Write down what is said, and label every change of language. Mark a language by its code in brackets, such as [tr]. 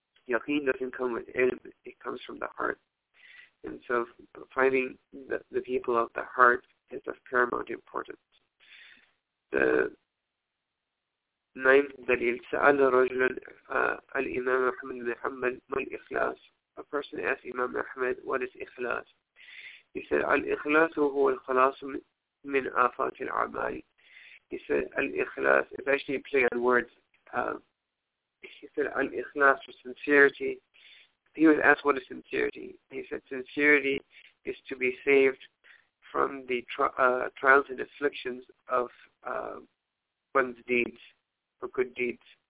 [en] Yaqeen doesn't come with ilm, it comes from the heart. And so finding the people of the heart is of paramount importance. The ninth dalil, [ar] سأل رجل الإمام أحمد بن حنبل ما الإخلاص. [en] A person asked Imam Ahmed, what is إخلاص? He said, [ar] الإخلاص هو الخلاص من آفات الأعمال. [en] He said, الإخلاص, it's actually a play on words. He said, الإخلاص for sincerity. He was asked, what is sincerity? He said, sincerity is to be saved from the trials and afflictions of one's deeds, or good deeds.